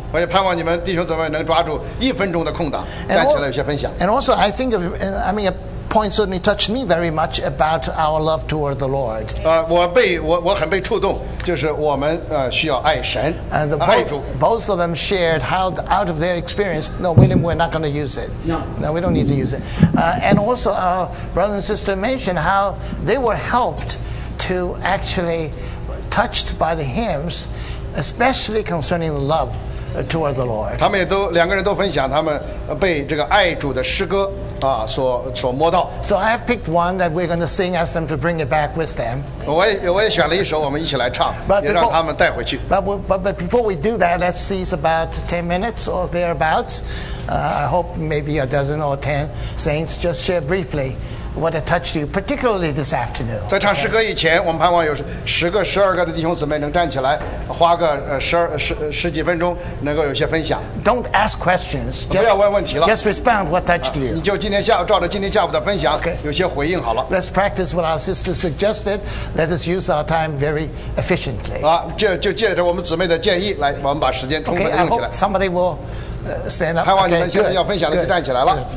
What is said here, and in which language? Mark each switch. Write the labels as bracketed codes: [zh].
[zh] 我也盼望你们弟兄姊妹能抓住一分钟的空档，站起来有些分享。 [en] And also, I think of, I mean, a point certainly touched me very much about our love toward the Lord. [zh] 我很被触动，就是我们需要爱神。 [en] And both of them shared how out of their experience. No, William, we're not going to use it. No, we don't need to use it. And also, our brother and sister mentioned how they were helped to actually touched by the hymns, especially concerning love toward the Lord. [zh] 他们也都两个人都分享他们被这个爱主的诗歌。所摸到。 [en] So I have picked one that we're going to sing, ask them to bring it back with them. [zh] 我也选了一首，我们一起来唱，也让他们带回去。 [en] But before we do that, let's seize about 10 minutes or thereabouts. I hope maybe a dozen or 10 saints just share briefly what it touched you, particularly this afternoon. [zh] 在唱诗歌以前，我们盼望有十个、十二个的弟兄姊妹能站起来，花个十几分钟，能够有些分享。 [en] Don't ask questions. [zh] 不要问问题了。 [en] Just respond what touched you. [zh] 你就今天下午照着今天下午的分享，有些回应好了。 [en] Let's practice what our sister suggested. Let us use our time very efficiently. [zh] 就借着我们姊妹的建议来，我们把时间充分用起来。 [en] Somebody will stand up. [zh] 盼望你们现在要分享的就站起来了。